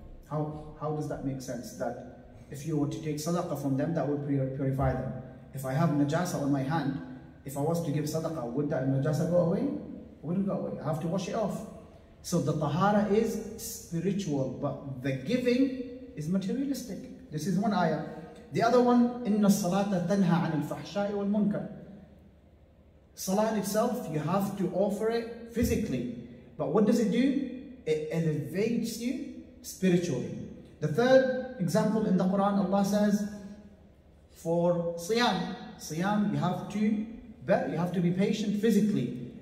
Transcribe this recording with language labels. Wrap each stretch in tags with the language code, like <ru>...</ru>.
<en>How does that make sense? That if you were to take sadaqah from them, that would purify them. If I have najasa on my hand, if I was to give sadaqah, would that najasa go away? It wouldn't go away. I have to wash it off. So the tahara is spiritual, but the giving is materialistic. This is one ayah.</en> <ar>The other one, إِنَّ الصَّلَاةَ تَنْهَى عَنِ الْفَحْشَاءِ وَالْمُنْكَرِ.</ar> <en>Salah itself, you have to offer it physically. But what does it do? It elevates you spiritually. The third example in the Quran, Allah says, for Siyam, you have to be patient physically.</en>